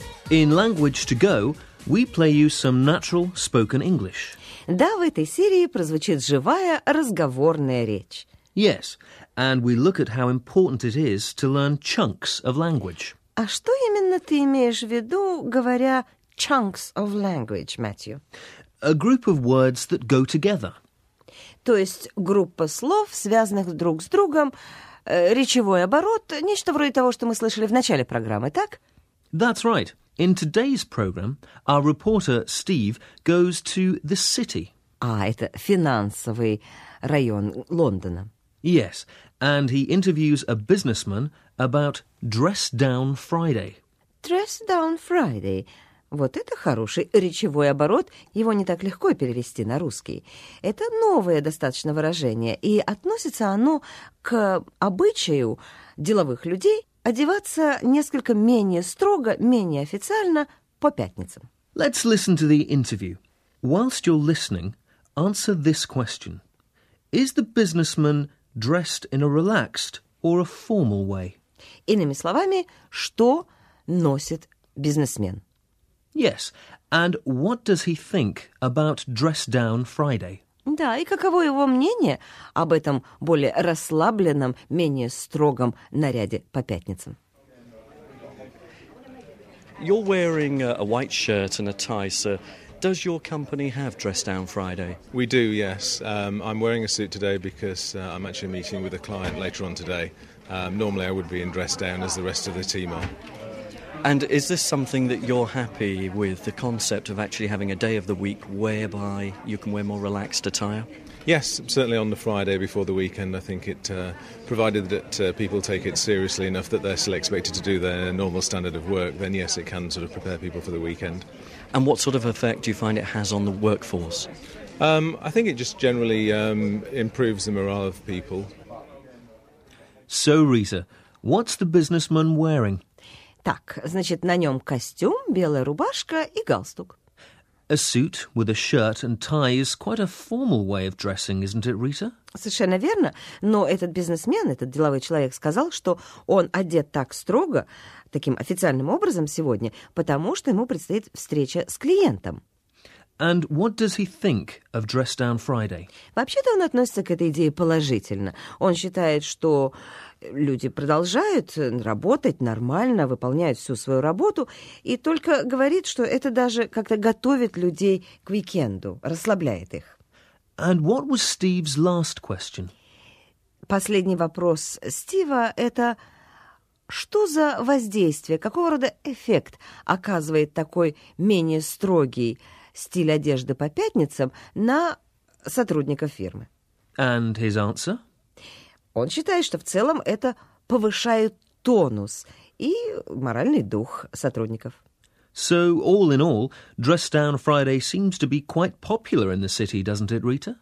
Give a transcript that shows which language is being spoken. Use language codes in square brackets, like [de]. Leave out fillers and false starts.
[en] In Language to Go, we play you some natural spoken English. [ru] Да, в этой серии прозвучит живая разговорная речь. [en] Yes, and we look at how important it is to learn chunks of language. [ru] А что именно ты имеешь в виду, говоря [en] chunks of language, [ru] Matthew? [en] A group of words that go together. [ru] То есть группа слов, связанных друг с другом, речевой оборот, нечто вроде того, что мы слышали в начале программы, так? [en] That's right. In today's program, our reporter Steve goes to the city. [ru] А, это финансовый район Лондона. [en] Yes, and he interviews a businessman about Dress Down Friday. Dress Down Friday. [ru] Вот это хороший речевой оборот, его не так легко перевести на русский. Это новое достаточно выражение, и относится оно к обычаю деловых людей одеваться несколько менее строго, менее официально по пятницам. [en] Let's listen to the interview. Whilst you're listening, answer this question. Is the businessman dressed in a relaxed or a formal way? [ru] Иными словами, что носит бизнесмен? [en] Yes, and what does he think about Dress Down Friday? [ru] Да, и каково его мнение об этом более расслабленном, менее строгом наряде по пятницам? [en] You're wearing a white shirt and a tie, sir. Does your company have Dress Down Friday? We do, yes. I'm wearing a suit today because I'm actually meeting with a client later on today. Normally I would be in Dress Down as the rest of the team are. And is this something that you're happy with, the concept of actually having a day of the week whereby you can wear more relaxed attire? Yes, certainly on the Friday before the weekend, I think it, provided that people take it seriously enough that they're still expected to do their normal standard of work, then yes, it can sort of prepare people for the weekend. And what sort of effect do you find it has on the workforce? I think it just generally improves the morale of people. So, Rita, what's the businessman wearing? [ru] Так, значит, на нем костюм, белая рубашка и галстук. [en] A suit with a shirt and tie is quite a formal way of dressing, isn't it, Rita? [ru] Совершенно верно. Но этот бизнесмен, этот деловой человек, сказал, что он одет так строго, таким официальным образом сегодня, потому что ему предстоит встреча с клиентом. [en] And what does he think of Dress Down Friday? [ru] Вообще-то он относится к этой идее положительно. Он считает, что люди продолжают работать нормально, выполняют всю свою работу, и только говорит, что это даже как-то готовит людей к уикенду, расслабляет их. [en] And what was Steve's last question? [ru] Последний вопрос Стива – это что за воздействие, какого рода эффект оказывает такой менее строгий стиль одежды по пятницам на сотрудников фирмы? [en] And his answer? [ru] Он считает, что в целом это повышает тонус и моральный дух сотрудников. [en] So, all in all, Dress Down Friday seems to be quite popular in the city, doesn't it, Rita?